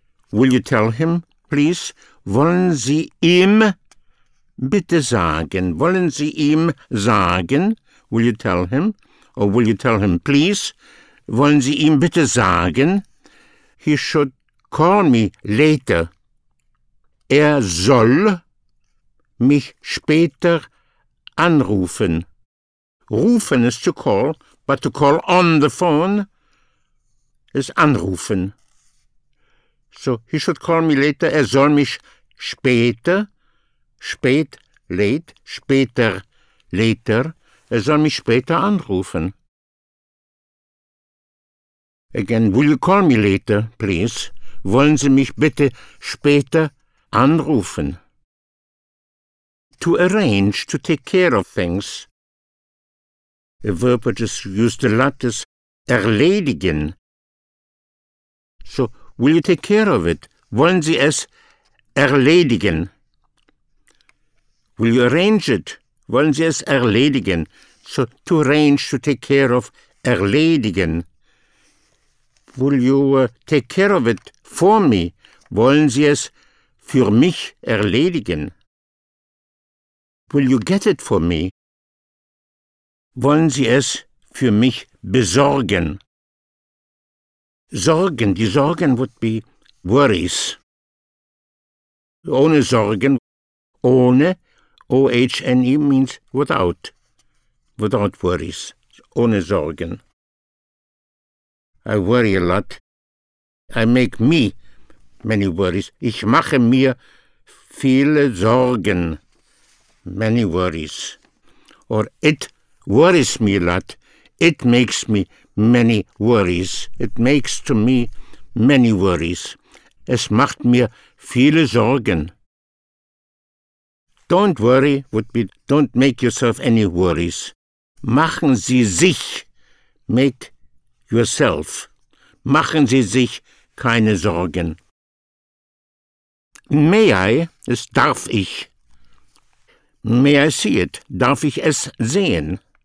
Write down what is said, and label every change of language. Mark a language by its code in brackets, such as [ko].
[en] will you tell him, please, [de] wollen Sie ihm bitte sagen, wollen Sie ihm sagen, [en] will you tell him, or will you tell him, please, wollen Sie ihm bitte sagen, he should call me later, [de] er soll mich später anrufen. [en] Rufen is to call, but to call on the phone is anrufen. So he should call me later, [de] er soll mich später, spät, late, später, later, er soll mich später anrufen. [en] Again, will you call me later, please? [de] Wollen Sie mich bitte später Anrufen. [en] To arrange, to take care of things. A verb which is used a lot is erledigen. So, will you take care of it? [de] Wollen Sie es erledigen? [en] Will you arrange it? [de] Wollen Sie es erledigen? [en] So, to arrange, to take care of, erledigen. Will you take care of it for me? [de] Wollen Sie es für mich erledigen? [en] Will you get it for me? [de] Wollen Sie es für mich besorgen? [en] Sorgen, die Sorgen would be worries. [de] Ohne Sorgen, [en] ohne, O-H-N-E means without, without worries, [de] ohne Sorgen. [en] I worry a lot. I make me many worries. [de] Ich mache mir viele Sorgen, [en] many worries. Or it worries me a lot. It makes me many worries. It makes to me many worries. [de] Es macht mir viele Sorgen. [en] Don't worry would be don't make yourself any worries. [de] Machen Sie sich, [en] make yourself. [de] Machen Sie sich keine Sorgen. [en] May I, [de] es darf ich. [en] May I see it, [de] darf ich es sehen.